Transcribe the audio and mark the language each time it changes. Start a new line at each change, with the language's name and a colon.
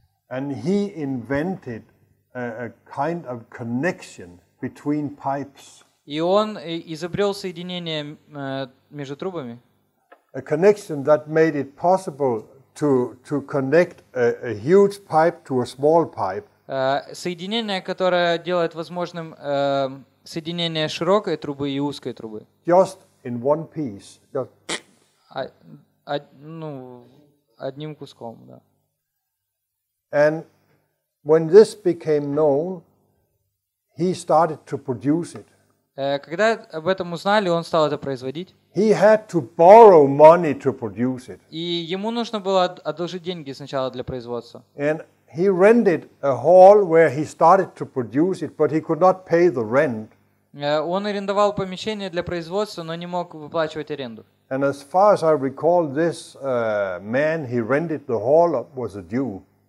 English: And he invented a kind of connection between pipes.
Russian: И он изобрел соединение между трубами.
English: A connection that made it possible to connect a huge pipe to a small pipe.
Russian: Соединение, которое делает возможным соединение широкой трубы и узкой трубы.
English: Just in one piece. Just...
Russian: одним куском, да.
English: And when this became known, he started to produce it.
Russian: Когда об этом узнали, он стал это производить.
English: He had to borrow money to produce it.
Russian: И ему нужно было одолжить деньги сначала для производства.
English: And he rented a hall where he started to produce it, but he could not pay the rent.
Russian: Он арендовал помещение для производства, но не мог выплачивать аренду.
English: And as far as I recall, this man he rented the hall up was a Jew.